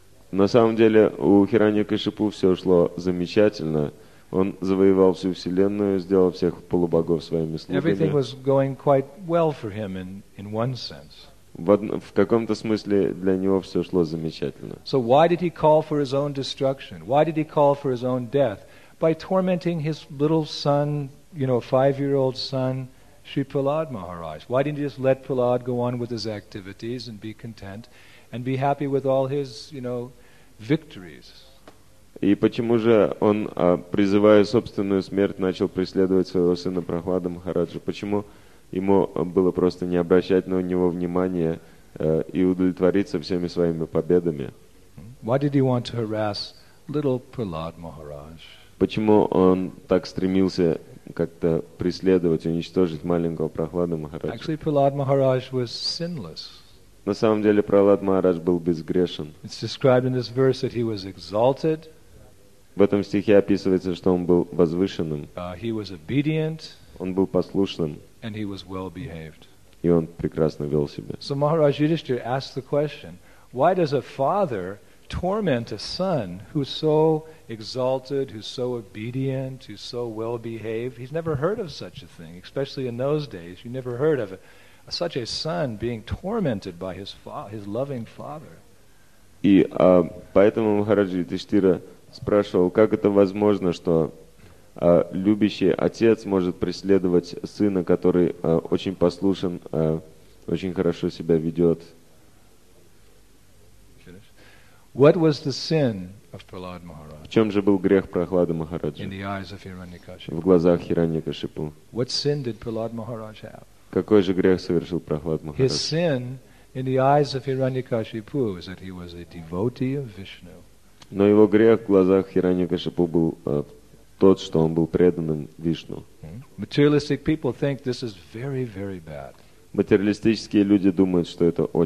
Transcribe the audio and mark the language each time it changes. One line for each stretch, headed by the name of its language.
Russian: На самом деле у Хираньякашипу все шло замечательно. Он завоевал всю вселенную, сделал всех полубогов своими слугами.
English: Everything was going quite well for him in one sense.
Russian: В каком-то смысле для него все шло замечательно.
English: So why did he call for his own destruction? Why did he call for his own death? By tormenting his little son, you know, a five-year-old son, Shri Prahlad Maharaj. Why didn't he just let Prahlad go on with his activities and be content and be happy with all his, you know, victories?
Russian: И почему же он, призывая собственную смерть, начал преследовать своего сына Прохлада Махараджу? Почему ему было просто не обращать на него внимания и удовлетвориться всеми своими победами?
English: Why did he want to harass little Prahlad Maharaj?
Russian: Почему он так стремился как-то преследовать, уничтожить маленького Прохлада Махараджа?
English: Actually, Prahlad Maharaj was sinless.
Russian: На самом деле Прохлад Махарадж был безгрешен.
English: It's described in this verse that he was exalted.
Russian: В этом стихе описывается, что он был возвышенным.
English: He was obedient.
Russian: Он был послушным.
English: And he was well behaved.
Russian: И он прекрасно вел себя.
English: So Maharaj Yudhishthira asked the question, why does a father torment a son who's so exalted, who's so obedient, who's so well behaved? He's never heard of such a thing, especially in those days. You never heard of such a son being tormented by his loving father.
Russian: И поэтому Махарадж Юдхиштхира спрашивал, как это возможно, что любящий отец может преследовать сына, который очень послушен, очень хорошо себя ведет.
English: What was the sin of Prahlad Maharaj?
Russian: В чем же был грех Прохлады Махараджа? В глазах Хираньякашипу.
English: What sin did Prahlad Maharaj have?
Russian: Какой же грех совершил Прохлад Махарадж?
English: His sin in the eyes of Hiranyakashipu was that he was a devotee of Vishnu.
Russian: Но его грех в глазах Хираньякашипу был тот, что он был преданным Вишну.
English: Materialistic people think this is very, very bad.
Russian: Материалистические люди думают, что это